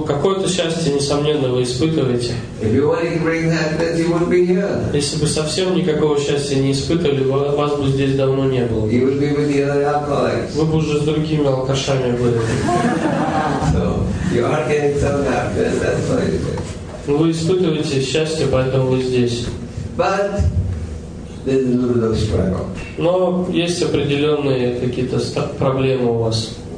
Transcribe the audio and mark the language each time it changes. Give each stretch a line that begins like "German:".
Russian: какое-то счастье, несомненно, вы испытываете.
English: If you want to bring happiness, you would be here.
Russian: Если бы совсем никакого счастья не испытывали, вас бы здесь давно не было.
English: You would be with the other alcoholics.
Russian: Вы бы уже с другими алкашами были.
English: So, you are getting some happiness, that's why you're here.
Russian: Вы испытываете счастье, поэтому вы здесь.
English: But there's a little bit of struggle.
Russian: Но есть определенные какие-то проблемы у вас.